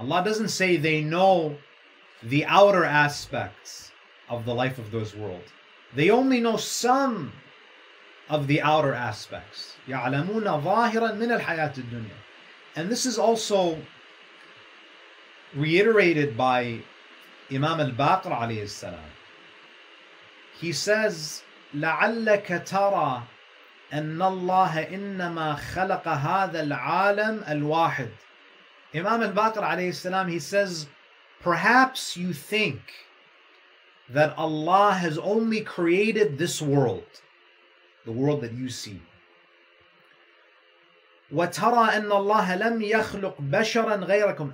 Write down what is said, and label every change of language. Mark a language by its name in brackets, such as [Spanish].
[English] Allah doesn't say they know the outer aspects of the life of those worlds. They only know some of the outer aspects. [Arabic] يَعْلَمُونَ ظَاهِرًا مِنَ الْحَيَاةِ الدُّنْيَا. [English] And this is also reiterated by Imam al-Baqir alayhi salam. He says, [Arabic] لَعَلَّكَ تَرَى أَنَّ اللَّهَ إِنَّمَا خَلَقَ هَذَا الْعَالَمَ الْوَاحِدِ. [English] Imam al-Baqir alayhi salam, he says, perhaps you think that Allah has only created this world, the world that you see. [Arabic] وَتَرَى أَنَّ اللَّهَ لَمْ يَخْلُقْ بَشَرًا غَيْرَكُمْ.